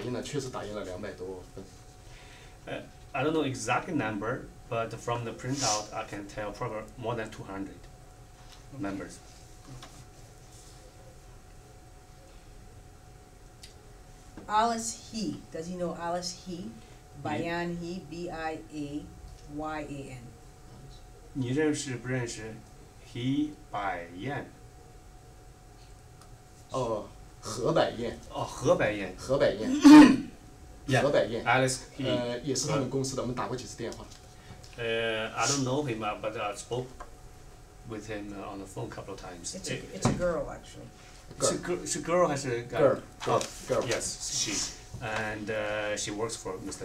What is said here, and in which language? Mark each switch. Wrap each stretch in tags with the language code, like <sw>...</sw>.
<zh>确切的我不知道，但是打印了，确实打印了200多份。</zh> <en>I don't know exact number, but from the printout, I can tell probably more than 200 members. Alice He, does he know Alice He? Bian He, B I A Y A N.</en> <zh>你认识不认识 He Bian? 哦。何百燕，何百燕，何百燕，Alice，也是他们公司的，我们打过几次电话。</zh> <en>I don't know him, but I spoke with him on the phone a couple of times. It's a girl, actually.</en> <zh>是girl还是girl？</zh> <en>Girl，yes，she，and she works for Mr.</en>